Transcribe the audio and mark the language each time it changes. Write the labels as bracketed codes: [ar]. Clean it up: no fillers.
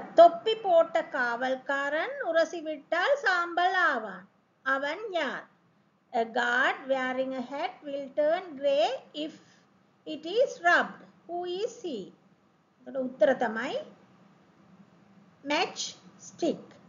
[ta] தொப்பி போட்ட காவல்காரன் உரசி விட்டால் சாம்பல் ஆவான். அவன் யார்? [en] A guard wearing a hat will turn grey if it is rubbed. Who is he? [si] ඒකට උත්තර තමයි match stick.